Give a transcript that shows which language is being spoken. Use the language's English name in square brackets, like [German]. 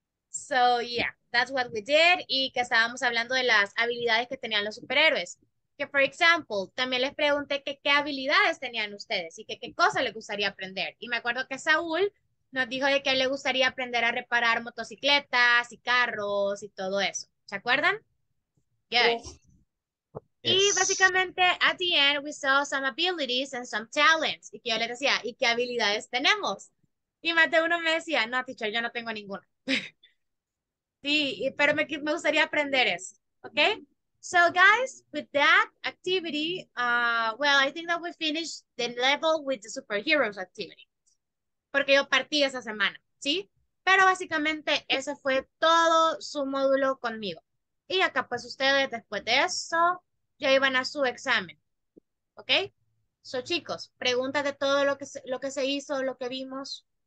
[English] So, yeah, that's what we did. [Spanish] Y que estábamos hablando de las habilidades que tenían los superhéroes. Que, [English] for example, [Spanish] también les pregunté que qué habilidades tenían ustedes y que qué cosa les gustaría aprender. Y me acuerdo que Saúl Nos dijo de que a él le gustaría aprender a reparar motocicletas y carros y todo eso. ¿Se acuerdan? Good. [English] Yes. Y básicamente, at the end, we saw some abilities and some talents. [Spanish] Y que yo le decía, ¿y qué habilidades tenemos? Y más de uno me decía, no, teacher, yo no tengo ninguna. Sí, pero me gustaría aprender eso. ¿Ok? [English] So, guys, with that activity, well, I think that we finished the level with the superheroes activity. [Spanish] Porque yo partí esa semana, ¿sí? Pero básicamente, ese fue todo su módulo conmigo. Y acá, pues, ustedes, después de eso, ya iban a su examen. ¿Ok? So, chicos, preguntas de todo lo que se hizo, lo que vimos.